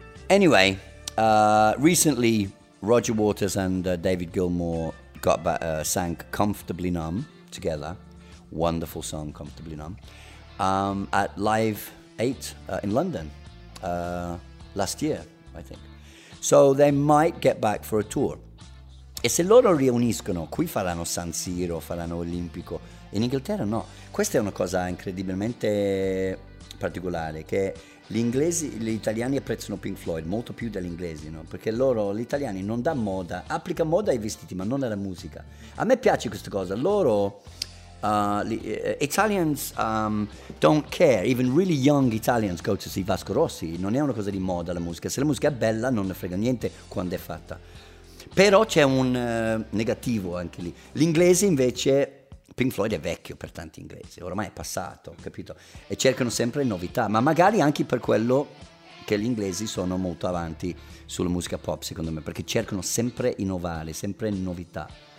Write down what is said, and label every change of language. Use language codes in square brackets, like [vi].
[en] Anyway, recently Roger Waters and David Gilmour got back, sang Comfortably Numb together. Wonderful song, Comfortably Numb. At Live 8 in London last year, I think. So they might get back for a tour. [it] E se loro riuniscono, qui faranno San Siro, faranno Olimpico. In Inghilterra no. Questa è una cosa incredibilmente particolare, che gli inglesi, gli italiani apprezzano Pink Floyd molto più degli inglesi, no? Perché loro, gli italiani, non dà moda, applica moda ai vestiti, ma non alla musica. A me piace questa cosa, loro... [en] Italians don't care. Even really young Italians go to see Vasco Rossi. [it] Non è una cosa di moda la musica. Se la musica è bella, non ne frega niente quando è fatta. Però c'è un negativo anche lì. L'inglese invece, Pink Floyd è vecchio per tanti inglesi. Ormai è passato, capito? E cercano sempre novità. Ma magari anche per quello che gli inglesi sono molto avanti sulla musica pop, secondo me, perché cercano sempre innovare, sempre novità.